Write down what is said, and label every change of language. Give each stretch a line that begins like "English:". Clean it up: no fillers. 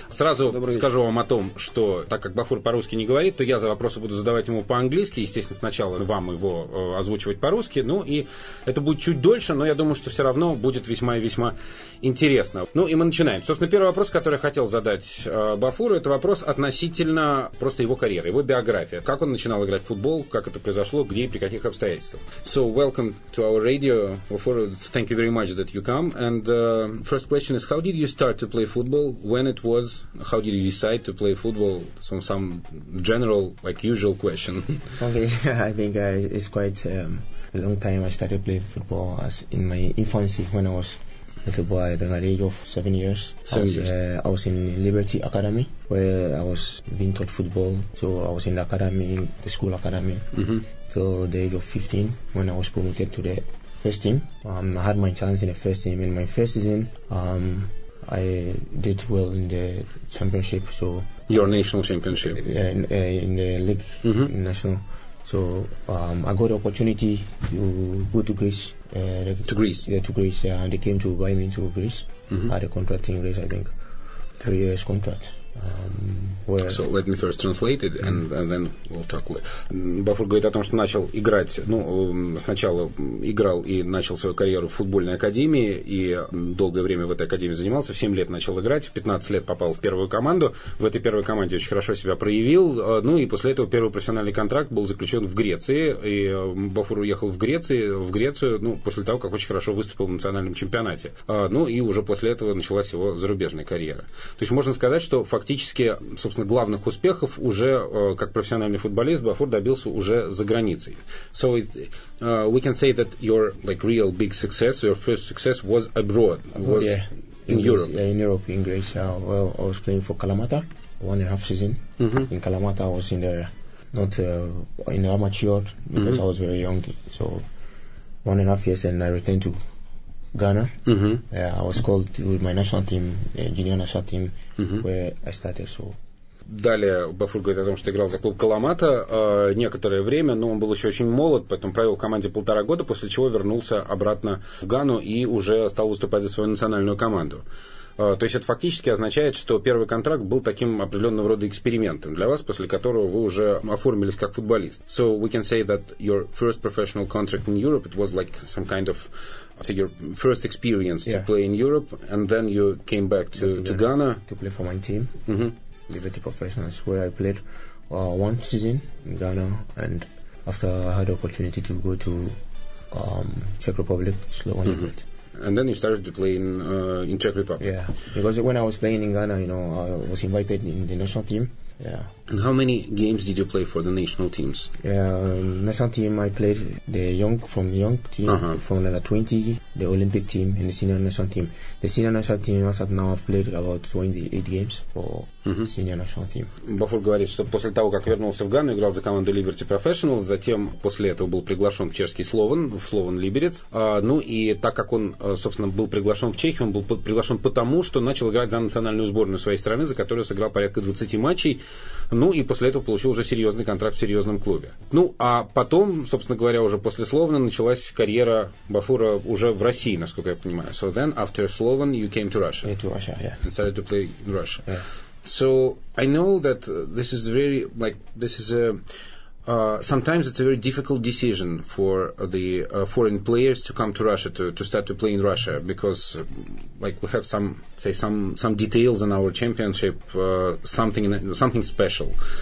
Russian: Сразу скажу вам о том, что так как Бафур по-русски не говорит, то я за вопросы буду задавать ему по-английски, естественно, сначала вам его озвучивать по-русски, ну и это будет чуть дольше, но я думаю, что все равно будет весьма и весьма интересно. Ну и мы начинаем. Собственно, первый вопрос, который я хотел задать Бафуру, это вопрос относительно просто его карьеры, его биографии. Как он начинал играть в футбол, как это произошло, где и при каких обстоятельствах.
English: So, welcome to our radio. Bafur, thank you very much that you come. And first question is, how did you start to play football? When it was? How did you decide to play football? Some general, like usual question. Okay, I think it's quite a long time I started playing football as in my infancy when I was little boy, at the age of 7 years. I was in Liberty Academy, where I was being taught football. So I was in the academy, in the school academy, till the age of 15, when I was promoted to the first team. I had my chance in the first team. In my first season, I did well in the championship. So your national championship? In the league, national. So I got the opportunity to go to Greece. To Greece. Yeah, and they came to buy me to Greece. Had a contract in Greece, I think. 3 years contract. So let me first translate it, and then we'll talk.
Russian: Бафур говорит о том, что начал играть, ну, сначала играл и начал свою карьеру в футбольной академии, и долгое время в этой академии занимался, в 7 лет начал играть, в 15 лет попал в первую команду, в этой первой команде очень хорошо себя проявил, ну и после этого первый профессиональный контракт был заключен в Греции, и Бафур уехал в Грецию, ну, после того, как очень хорошо выступил в национальном чемпионате. Ну и уже после этого началась его зарубежная карьера. То есть можно сказать, что фактически фактически, собственно, главных успехов уже как профессиональный футболист Бафур добился уже за границей.
English: So it, we can say that your like real big success, your first success was abroad, was in Europe. Yeah, in Europe, in Greece. Well, I was playing for Kalamata, one and a half season. Mm-hmm. In Kalamata, I was in the not in the amateur because mm-hmm. I was very young. So one and a half years, and I returned to Ghana. Mm-hmm. I was called with my national team, junior national team, mm-hmm. where I started. So. Далее Бафур говорит о том, что играл за клуб Каламата некоторое время, но он был еще очень молод, поэтому провел в команде полтора года, после чего вернулся обратно в Гану и уже стал выступать за свою национальную команду. То есть это фактически означает, что первый контракт был таким определенного рода экспериментом для вас, после которого вы уже оформились как футболист. So we can say that your first professional contract in Europe, it was like some kind of so your first experience to play in Europe, and then you came back to Ghana. To play for my team. Mm-hmm. Liberty Professionals, where I played one season in Ghana, and after I had the opportunity to go to Czech Republic, Slovenia. Mm-hmm. And then you started to play in Czech Republic. Yeah, because when I was playing in Ghana, you know, I was invited in the national team. Yeah. And how many games did you play for the national teams? National team, I played the young team, uh-huh. from under 20, the Olympic team, and the senior national team. The senior national team, as of now, I've played about 28 games for uh-huh. senior national team.
Russian: Бафур говорит, что после того, как вернулся в Гану, играл за команду Liberty Professionals, затем после этого был приглашен в чешский Слован, в Слован Либерец. Ну и так как он, собственно, был приглашен в Чехию, он был приглашен потому, что начал играть за национальную сборную своей страны, за которую сыграл порядка 20 матчей. Ну, и после этого получил уже серьезный контракт в серьезном клубе. Ну, а потом, собственно говоря, уже после Слована началась карьера Бафура уже в России, насколько я понимаю.
English: So then, after Slovan, you came to Russia. Yeah, to Russia, yeah. And started to play in Russia. Yeah. So, I know that this is very, like, this is a... sometimes it's a very difficult decision for the foreign players to come to Russia, to start to play in Russia, because like we have some details in our championship, something special.